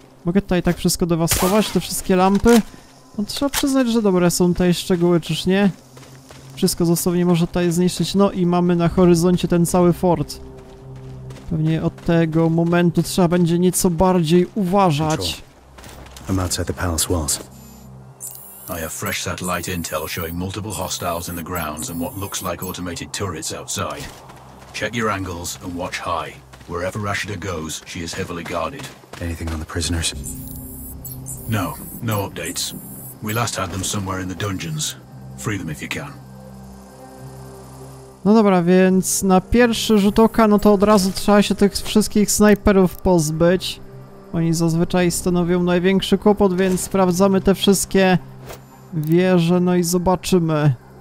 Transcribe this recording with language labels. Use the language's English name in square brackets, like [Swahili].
[Polish] Mogę tutaj tak wszystko dewastować, te wszystkie lampy? No trzeba przyznać, że dobre są tutaj szczegóły, czyż nie? Wszystko zasobnie można tutaj zniszczyć. No i mamy na horyzoncie ten cały fort. Pewnie od tego momentu trzeba będzie nieco bardziej uważać. [English] I'm outside the palace walls. I have fresh satellite intel showing multiple hostiles in the grounds and what looks like automated turrets outside. Check your angles and watch high. Wherever Rashida goes, she is heavily guarded. Anything on the prisoners? No, no updates. We last had them somewhere in the dungeons. Free them if you can. [Polish] No dobra, więc na pierwszy rzut oka, no to od razu trzeba się tych wszystkich snajperów pozbyć. Oni zazwyczaj stanowią największy kłopot, więc sprawdzamy te wszystkie wieże, no i zobaczymy.